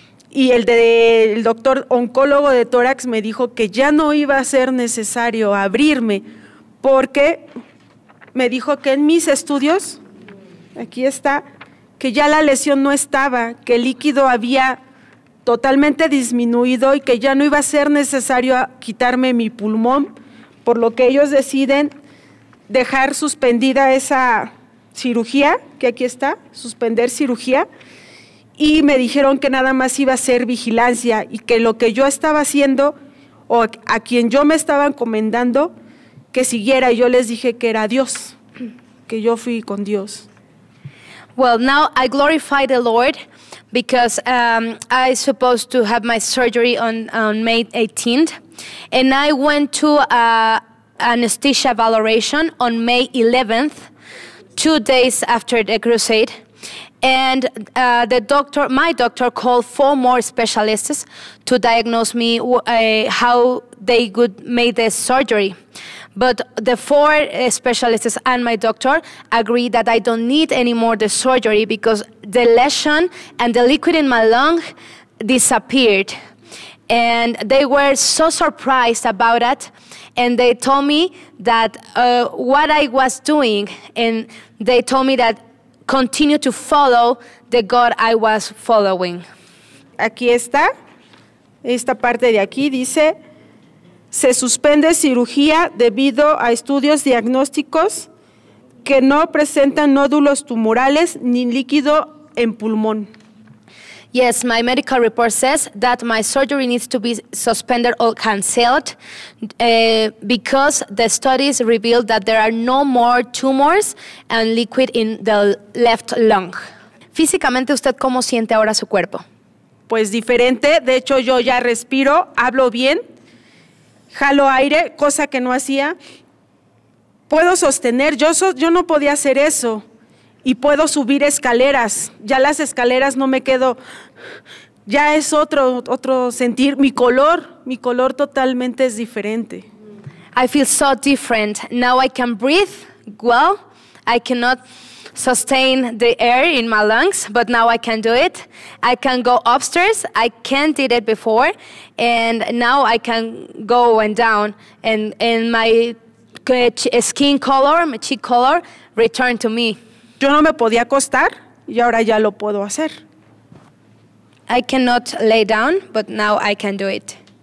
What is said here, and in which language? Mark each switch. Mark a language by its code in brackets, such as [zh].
[es] Y el doctor oncólogo de tórax me dijo que ya no iba a ser necesario abrirme porque me dijo que en mis estudios, aquí está, que ya la lesión no estaba, que el líquido había totalmente disminuido y que ya no iba a ser necesario quitarme mi pulmón, por lo que ellos deciden dejar suspendida esa cirugía, que aquí está, suspender cirugía, y me dijeron que nada más iba a ser vigilancia y que lo que yo estaba haciendo o a quien yo me estaba encomendando, que siguiera, y yo les dije que era Dios, que yo fui con Dios. [en] Well, now I glorify the Lord because I supposed to have my surgery on May 18th, and I went to anesthesia valoration on May 11th, 2 days after the crusade, and my doctor called 4 more specialists to diagnose me how they would make the surgery. But the 4 specialists and my doctor agreed that I don't need any more the surgery because the lesion and the liquid in my lung disappeared. And they were so surprised about it. And they told me that what I was doing, and they told me that continue to follow the God I was following. [es] Aquí está, esta parte de aquí dice, se suspende cirugía debido a estudios diagnósticos que no presentan nódulos tumorales ni líquido en pulmón. [en] Yes, my medical report says that my surgery needs to be suspended or canceled because the studies reveal that there are no more tumors and liquid in the left lung. [es] Físicamente, ¿usted cómo siente ahora su cuerpo? Pues diferente, de hecho yo ya respiro, hablo bien. Jalo aire, cosa que no hacía. Puedo sostener, yo no podía hacer eso. Y puedo subir escaleras. Ya las escaleras no me quedo. Ya es otro sentir. Mi color totalmente es diferente. [en] I feel so different. Now I can breathe well. I cannot sustain the air in my lungs, but now I can do it. I can go upstairs. I can't did it before. And now I can go and down. And my skin color, my cheek color, returned to me. [es] Yo no me podía acostar y ahora ya lo puedo hacer. [en] I cannot lay down, but now I can do it.